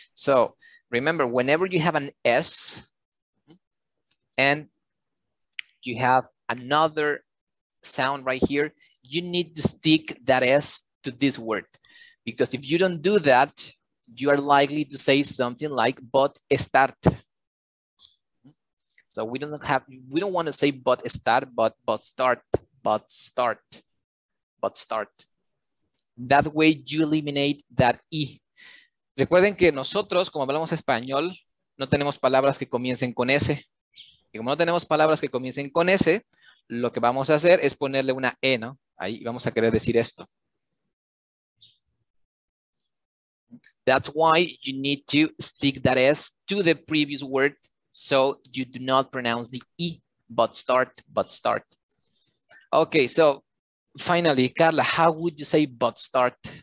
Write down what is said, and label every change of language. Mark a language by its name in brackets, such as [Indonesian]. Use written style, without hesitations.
[English] So remember, whenever you have an S and you have another sound right here, you need to stick that S to this word. Because if you don't do that, you are likely to say something like but start. So we don't want to say but start, but start. That way you eliminate that E. [Spanish] Recuerden que nosotros, como hablamos español, no tenemos palabras que comiencen con S. Y como no tenemos palabras que comiencen con S, lo que vamos a hacer es ponerle una E, ¿no? Ahí vamos a querer decir esto. [English] That's why you need to stick that S to the previous word so you do not pronounce the E, but start. Okay, so finally, Carla, how would you say but start?